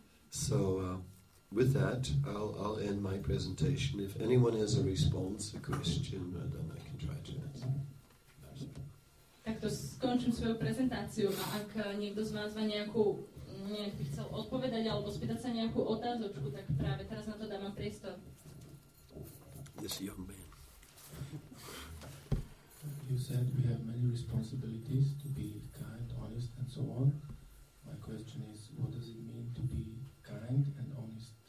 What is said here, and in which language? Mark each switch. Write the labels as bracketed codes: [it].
[en] So with that I'll end my presentation. If anyone has a response, a question, then I can try to answer. [sk] Takto skončím svoju prezentáciu a ak niekto z vás by chcel odpovedať alebo spýtať sa nejakú otázočku, tak práve teraz na to dávam priestor. [en] This young man. You said we have many responsibilities to be kind, honest, and so on. My question is, what does it mean to be kind and honest?